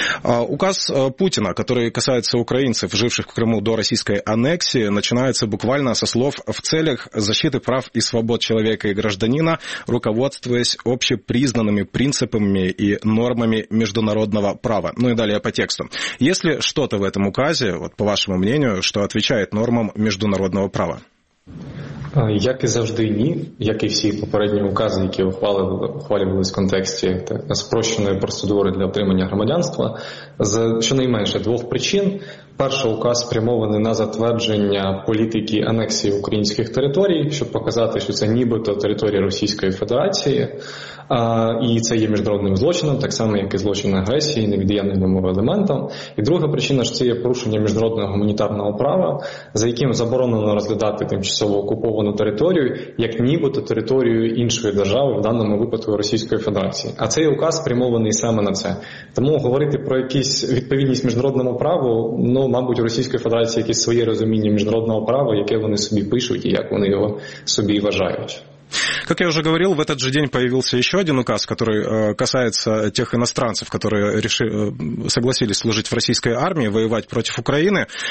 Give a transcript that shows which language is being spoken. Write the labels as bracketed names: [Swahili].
[Russian] Указ Путина, который касается украинцев, живших в Крыму до российской аннексии, начинается буквально со слов «в целях защиты прав и свобод человека и гражданина, руководствуясь общепризнанными принципами и нормами международного права». Ну и далее по тексту. Есть ли что-то в этом указе, вот по вашему мнению, что отвечает нормам международного права? [Ukrainian] Як і завжди, ні. Як і всі попередні укази, які ухвалювалися в контексті так, спрощеної процедури для отримання громадянства, за щонайменше двох причин. Перший указ спрямований на затвердження політики анексії українських територій, щоб показати, що це нібито територія Російської Федерації, і це є міжнародним злочином, так само, як і злочин агресії, невід'ємним елементом. І друга причина, що це є порушення міжнародного гуманітарного права, за яким заборонено розглядати тимчасово окуповану територію, як нібито територію іншої держави, в даному випадку Російської Федерації. А цей указ спрямований саме на це. Тому говорити про якісь відповідність міжнародному праву, мабуть, у Російської Федерації якесь своє розуміння міжнародного права, яке вони собі пишуть і як вони його собі вважають. [Russian] Как я уже говорил, в этот же день появился еще один указ, который касается тех иностранцев, которые согласились служить в российской армии, воевать против Украины.